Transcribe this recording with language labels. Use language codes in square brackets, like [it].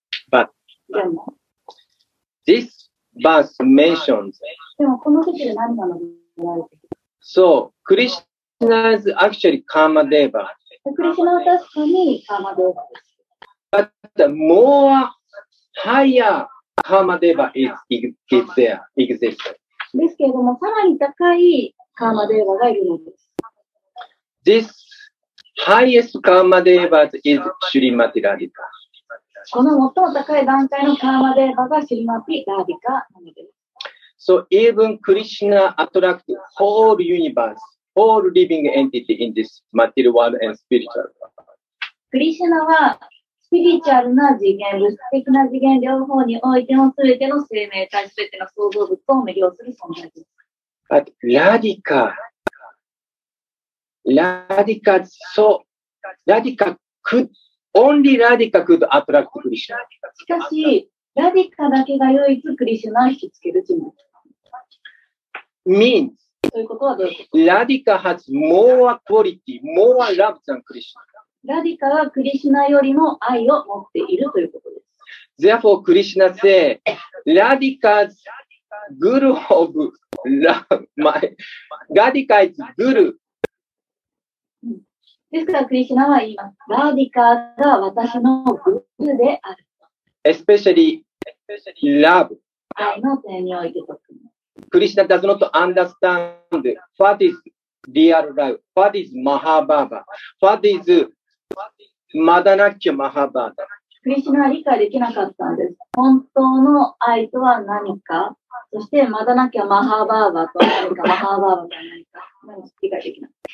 [en] But, [ja] でも、 [en] this verse mentions, [ja] でもこの時で何なのか言われてる。 [en] So, Krishna is actually Karma Deva. [ja] クリシュナは確かにカーマデーバです。 [en] But the more higher Karma Deva is there, exists. [ja] ですけれども、さらに高いカーマデーバがいるのです。 [en] This highest karma deva is Shrimati Radhika. [ja] この最も高い段階のカーマデーバがシュリマティ・ラディカなのです。 [en] So even Krishna attracts whole universe, whole living entity in this material world and spiritual world. [ja] クリシュナはスピリチュアルな次元、物質的な次元両方においても全ての生命体、全ての創造物を魅了する存在です。 [en] But Radhika. Radhika so Radhika could only Radhika could attract Krishna. [ja] しかし、Radhika だけが唯一クリシュナを引きつける人物。 [en] Means Radhika has more quality, more love than Krishna. [ja] Radhika はクリシュナよりも愛を持っているということです。 [en] Therefore, Krishna say, Radhika's guru of love, my Radhika is guru. [ja] ですからクリシュナは言います。ラディカが私のグルーである。 [en] Especially love. [ja] 愛の点において特に。 [en] クリシュナ does not understand what is real love, what is Mahabhava, what is Madanakya Mahabhava. [ja] クリシュナは理解できなかったんです。本当の愛とは何か、そしてマダナキャマハバーバとは何か、マハバーバとは何か、理解できなか